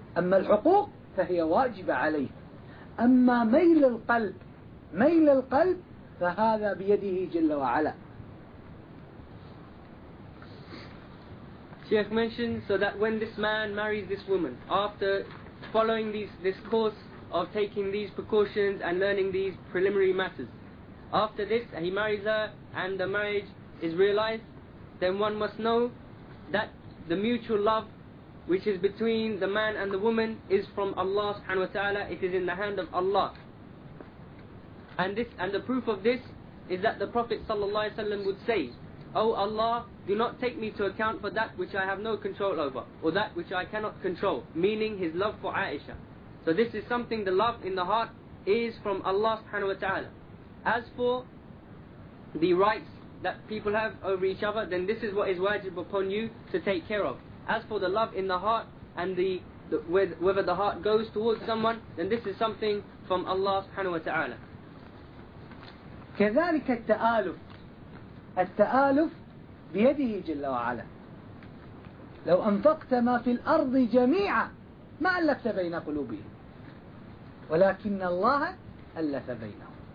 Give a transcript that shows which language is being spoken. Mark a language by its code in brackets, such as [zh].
[ar] أما الحقوق فهي واجبة عليه، أما ميل القلب فهذا بيده جل وعلا. [en] Sheikh mentioned, so that when this man marries this woman, after following this course of taking these precautions and learning these preliminary matters, After this, he marries her and the marriage is realized, then one must know that the mutual love which is between the man and the woman is from Allah subhanahu wa ta'ala. It is in the hand of Allah. And this, and the proof of this is that the Prophet sallallahu alaihi wasallam would say, O Allah, do not take me to account for that which I have no control over, or that which I cannot control, meaning his love for Aisha. So this is something, the love in the heart is from Allah subhanahu wa ta'ala. As for the rights that people have over each other, then this is what is wajib upon you to take care of. As for the love in the heart and whether the heart goes towards someone, then this is something from Allah subhanahu wa ta'ala. [ar] كذلك التآلف التآلف بيده جل وعلا. لو أنفقت ما في الأرض جميعا ما ألفت بين قلوبهم ولكن الله ألف بينهم.